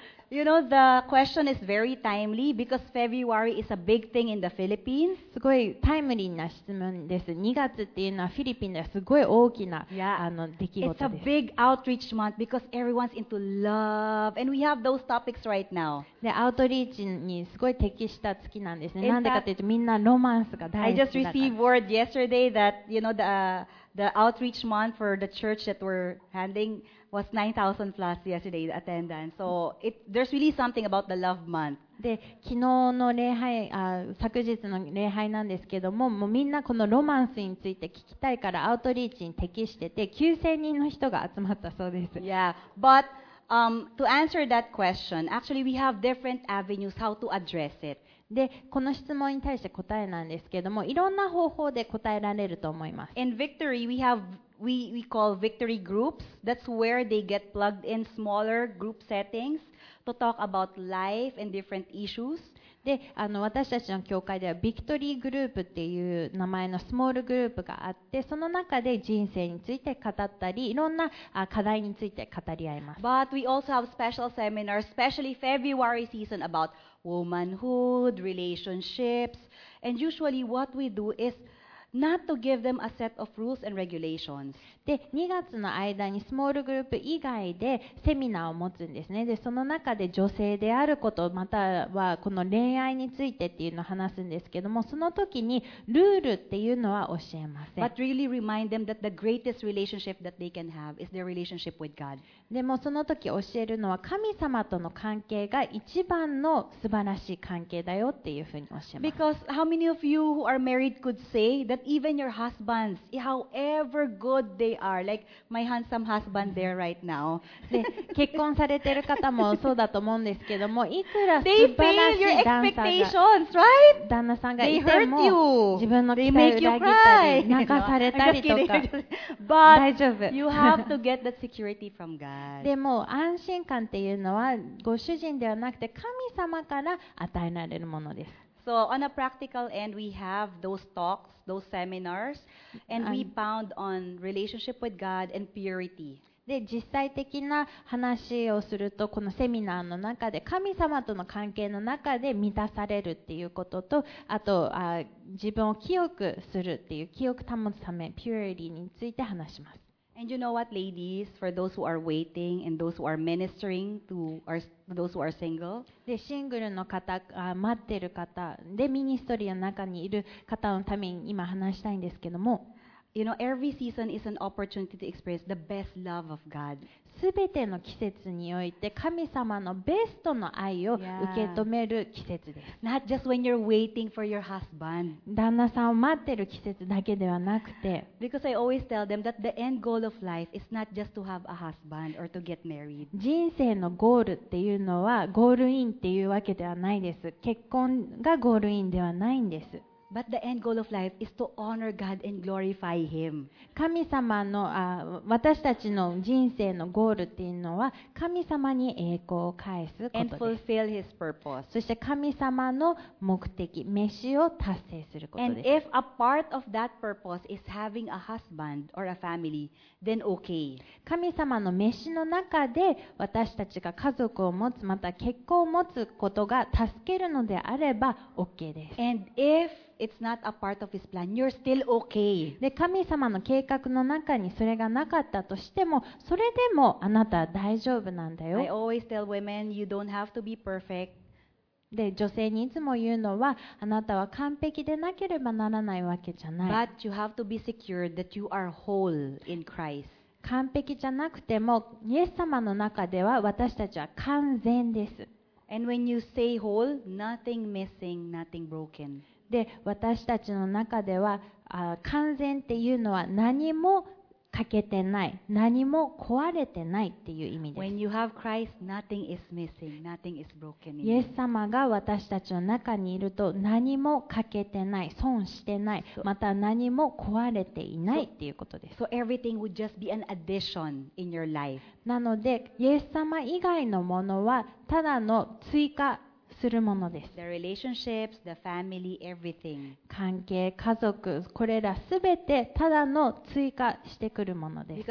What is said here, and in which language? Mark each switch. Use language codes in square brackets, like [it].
[en] You know, the question is very timely because February is a big thing in the Philippines. [ja] すごいタイムリーな質問です。2月っていうのはフィリピンではすごい大きな、 [en] yeah. [ja] 出来事です。 [en] It's a big outreach month because everyone's into love and we have those topics right now. [ja] で、アウトリーチにすごい適した月なんですね。なんでかというとみんなロマンスが大好きだから。 [en] I just received word yesterday that, you know, the outreach month for the church that we're handing. Was 9,000 plus yesterday attendance. So there's really something about the love month. [ja] で、昨日の礼拝、昨日の礼拝なんですけども、もうみんなこのロマンスについて聞きたいからアウトリーチに適してて、9,000 人の人が集まったそうです。 [en] Yeah, but to answer that question, actually we have different avenues how to address it. [ja] で、この質問に対して答えなんですけれども、いろんな方法で答えられると思います。 [en] In Victory, we have we call Victory groups. That's where they get plugged in smaller group settings to talk about life and different issues. [ja] で、私たちの教会ではビクトリーグループっていう名前のスモールグループがあって、その中で人生について語ったり、いろんな課題について語り合います。 [en] But we also have special seminars, especially February season, about womanhood, relationships, and usually what we do is. Not to give them a set of rules and regulations. [ja] で、2月の間にスモールグループ以外でセミナーを持つんですね。で、その中で女性であること、またはこの恋愛についてっていうのを話すんですけども、その時にルールっていうのは教えません。 [en] But really remind them that the greatest relationship that they can have is their relationship with God. [ja] でもその時教えるのは神様との関係が一番の素晴らしい関係だよっていうふうに教えます。 [en] Because how many of you who are married could say? That even your husbands, however good they are, like my handsome husband there right now. [ja] 結婚されてる方もそうだと思うんですけども、いくら素晴らしい旦那さんが、 [en] right? [ja] 旦那さんがいても、自分の期待を裏切ったり、泣かされたりとか、 [en] But [ja] 大丈夫。 [en] You have to get that security from God. [ja] でも安心感っていうのはご主人ではなくて神様から与えられるものです。 [en] So on a practical end, we have those talks, those seminars, and we pound on relationship with God and purity. [ja] で、実際的な話をすると、このセミナーの中で神様との関係の中で満たされるっていうことと、あと、自分を清くするっていう、清く保つため、purity について話します。 [en] And you know what, ladies, for those who are waiting and those who are ministering to those who are single. [ja] で、シングルの方、待ってる方、で、ミニストリーの中にいる方のために今話したいんですけども。 [en] You know, every season is an opportunity to express the best love of God. [ja] 全ての季節において神様のベストの愛を受け止める季節です。 [en] Yeah. Not just when you're waiting for your husband. [ja] 旦那さんを待ってる季節だけではなくて。 [en] Because I always tell them that the end goal of life is not just to have a husband or to get married. [ja] 人生のゴールっていうのはゴールインっていうわけではないです。結婚がゴールインではないんです。 [en] But the end goal of life is to honor God and glorify Him. [ja] 神様の、私たちの人生のゴールっていうのは神様に栄光を返すことです。 [en] And fulfill His purpose. [ja] そして神様の目的、召しを達成することです。 [en] And if a part of that purpose is having a husband or a family, then okay. [ja] 神様の召しの中で私たちが家族を持つ、また結婚を持つことが助けるのであれば OK です。 [en] And ifIt's not a part of his plan. You're still okay. [ja] で、神様の計画の中にそれがなかったとしても、それでもあなたは大丈夫なんだよ。 [en] I always tell women, you don't have to be perfect. [ja] で、女性にいつも言うのは、あなたは完璧でなければならないわけじゃない。 [en] But you have to be secure that you are whole in Christ. [ja] 完璧じゃなくても、イエス様の中では私たちは完全です。 [en] And when you say whole, nothing missing, nothing broken. [ja] で、私たちの中では完全っていうのは何も欠けてない、何も壊れてないっていう意味です。 [en] When you have Christ, nothing is missing, nothing is broken. [ja] イエス様が私たちの中にいると何も欠けてない、損してない、また何も壊れていないっていうことです。 [en] So everything would just be an addition in your life. [ja] なので、イエス様以外のものはただの追加するものです。 [en] The relationships, the family, everything. [ja] 関係、家族、これらすべてただの追加してくるものです。